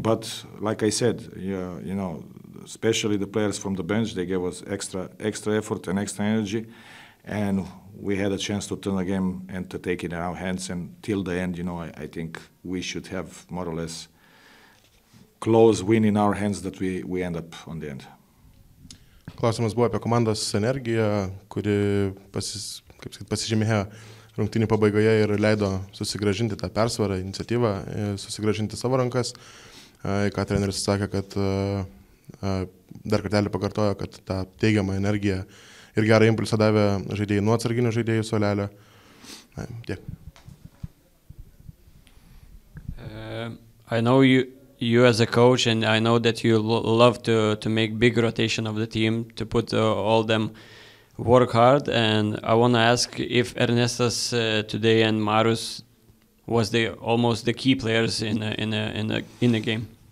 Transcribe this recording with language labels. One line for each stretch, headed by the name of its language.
English: But like I said, you know, especially the players from the bench, they gave us extra effort and extra energy. And we had a chance to turn the game and to take it in our hands. And till the end, you know, I think we should have more or less close win in our hands that we end up on the end.
Lithuanian: Klausimas buvo apie komandos energiją, kuri pasižymėjo rungtynių pabaigoje ir leido susigražinti tą persvarą, iniciatyvą, susigražinti savo rankas. Ką treneris sakė, kad dar kartelį pakartojo, kad tą teigiamą energiją ir gerą impulsą davė žaidėjai nuo atsarginių žaidėjų suolelio. Tiek.
English: I know you as a coach, and I know that you love to make big rotation of the team, to put all them work hard. And I want to ask if Ernestas today and Marius was the almost the key players in the game.